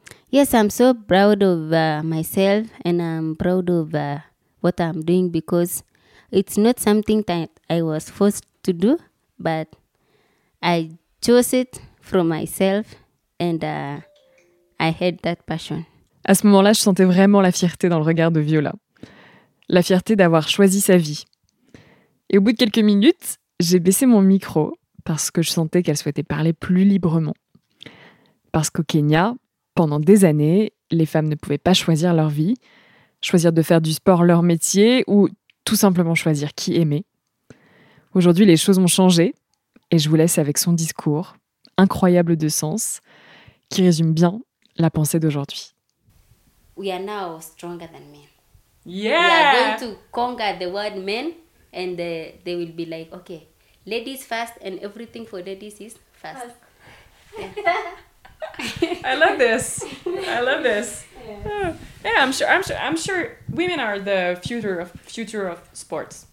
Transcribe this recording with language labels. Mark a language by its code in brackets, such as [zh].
[en] Yes, I'm so proud of myself and I'm proud of what I'm doing because it's not something that I was forced to do, but I chose it for myself and I had that passion. [fr] À ce moment-là, je sentais vraiment la fierté dans le regard de Viola. La fierté d'avoir choisi sa vie. Et au bout de quelques minutes, j'ai baissé mon micro parce que je sentais qu'elle souhaitait parler plus librement. Parce qu'au Kenya, pendant des années, les femmes ne pouvaient pas choisir leur vie, choisir de faire du sport leur métier ou tout simplement choisir qui aimer. Aujourd'hui, les choses ont changé et je vous laisse avec son discours, incroyable de sens, qui résume bien la pensée d'aujourd'hui. [en] We are now stronger than men. Yeah! We are going to conquer the world men and they will be like, okay, ladies first and everything for ladies is fast. I love this. I love this. Yeah. Yeah, I'm sure women are the future of sports.